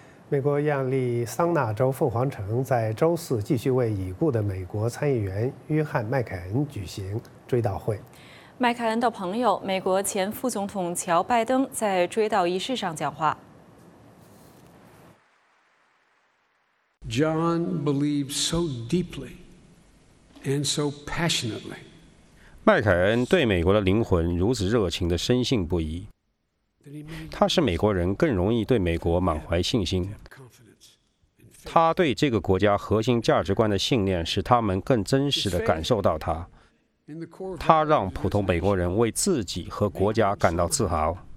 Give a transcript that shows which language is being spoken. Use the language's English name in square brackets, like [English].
[Chinese] 美国亚利桑那州凤凰城在周四继续为已故的美国参议员约翰·麦凯恩举行追悼会。麦凯恩的朋友、美国前副总统乔·拜登在追悼仪式上讲话。 [English] John believed so deeply and so passionately. [Chinese] 麦凯恩对美国的灵魂如此热情地深信不疑。他是美国人更容易对美国满怀信心，他对这个国家核心价值观的信念使他们更真实地感受到他，他让普通美国人为自己和国家感到自豪。